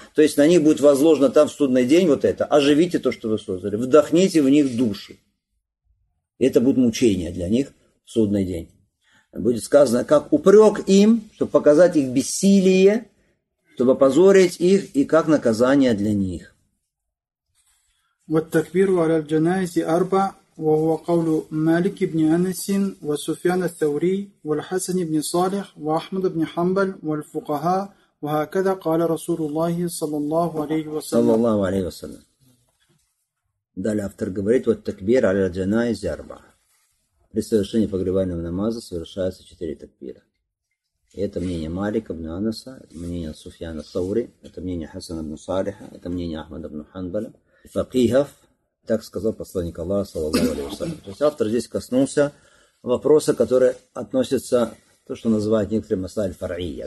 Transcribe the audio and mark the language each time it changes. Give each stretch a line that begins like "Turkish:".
Russian: То есть на них будет возложено там в судный день вот это. Оживите то, что вы создали. Вдохните в них души. И это будет мучение для них в судный день. Будет сказано как упрек им, чтобы показать их бессилие, чтобы опозорить их, и как наказание для них.
Arabic: والتكبير على الجنائز أربع وهو قول مالك بن أنس وسفيان الثوري والحسن بن صالح وأحمد بن حنبل والفقهاء وهكذا قال رسول الله صلى الله عليه وسلم. صلى الله عليه وسلم.
Russian: далее автор говорит:
Arabic: والتكبير على الجنائز أربع.
Russian: При совершении погребального намаза совершается четыре такбира. Это мнение Малика бин Анаса, мнение Суфьяна Саури, это мнение Хасана бин Салиха, это мнение Ахмада бин Ханбаля. Факихов, так сказал посланник Аллаха, саллаллаху алейхи ва саллям. То есть автор здесь коснулся вопроса, который относится то, что называют некоторые масаиль фарийя.